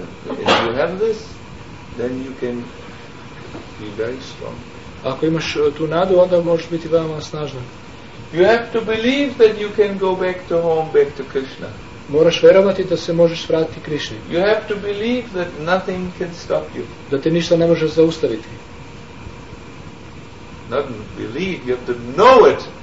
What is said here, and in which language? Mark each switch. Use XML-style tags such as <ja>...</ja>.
<en>if you have this, then you can be very strong.</en> <sr>Ako imaš tu nadu, onda možeš biti veoma snažan.</sr> <en>You have to believe that you can go back to home, back to Krishna.</en> <sr>Moraš vjerovati da se možeš vratiti Krishni.</sr> <en>You have to believe that nothing can stop you.</en> <sr>Da te ništa ne može zaustaviti.</sr> <en>Not believe, you have to know it.</en>